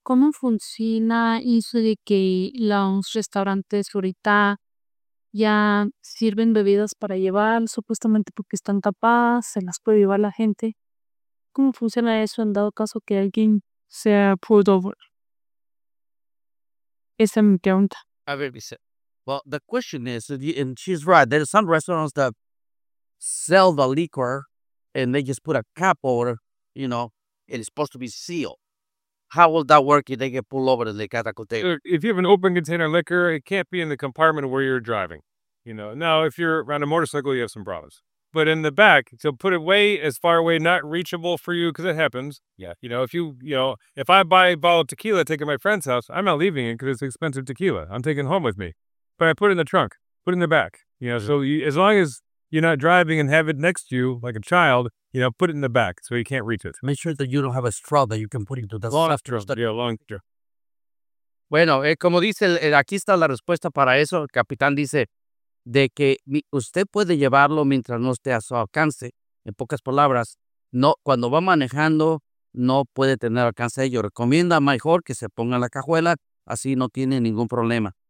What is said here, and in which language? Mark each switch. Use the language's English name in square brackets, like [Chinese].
[Spanish] ¿Cómo funciona eso de que los restaurantes ahorita ya sirven bebidas para llevar, supuestamente porque están tapadas, se las puede llevar la gente? ¿Cómo funciona eso en dado caso que alguien sea [English] pulled over? [Spanish] Esa es mi pregunta. A ver, dice. [English] Well, the question is, and she's right, there are some restaurants that sell the liquor and they just put a cap over, you know, and it's supposed to be sealed. How will that work if they get pulled over the cata container? If you have an open container of liquor, it can't be in the compartment where you're driving. You know, now if you're on a motorcycle, you have some problems. But in the back, so put it way as far away, not reachable for you, because it happens. Yeah. You know, if I buy a bottle of tequila, take it to my friend's house, I'm not leaving it because it's expensive tequila. I'm taking it home with me. But I put it in the trunk, put it in the back. You know, mm-hmm. So as long as you're not driving and have it next to you like a child, you know, put it in the back so you can't reach it. Make sure that you don't have a straw that you can put into the long straw. Yeah, long straw. [Spanish] Bueno, como dice, aquí está la respuesta para eso. El capitán dice de que usted puede llevarlo mientras no esté a su alcance. En pocas palabras, no, cuando va manejando, no puede tener alcance. Yo recomiendo mejor que se ponga en la cajuela, así no tiene ningún problema.